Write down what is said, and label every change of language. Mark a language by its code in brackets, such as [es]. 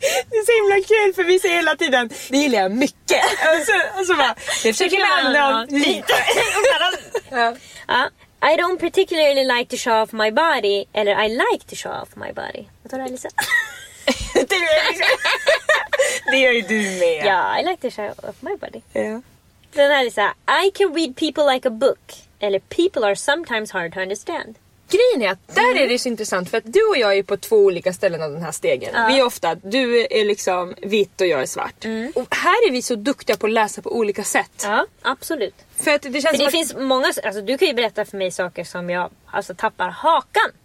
[sv] Det är så himla kul för vi säger hela tiden, det gillar jag mycket. Och så bara, det försöker jag använda av lite. Ja. [en] I don't particularly like to show off my body. [sv] Eller [en] I like to show off my body. [sv] Vad tar du, [en] Alisa? [sv] Det gör ju du med. Ja, [en] I like to show off my body. [sv] Ja. Den här [en] Alisa, I can read people like a book. [sv] Eller [en] people are sometimes hard to understand. [sv] Grejen är att där är det så intressant. För att du och jag är på två olika ställen av den här stegen. Ja. Vi är ofta, du är liksom vitt och jag är svart. Mm. Och här är vi så duktiga på att läsa på olika sätt. Ja, absolut. För att det känns för det finns många, alltså du kan ju berätta för mig saker som jag alltså tappar hakan.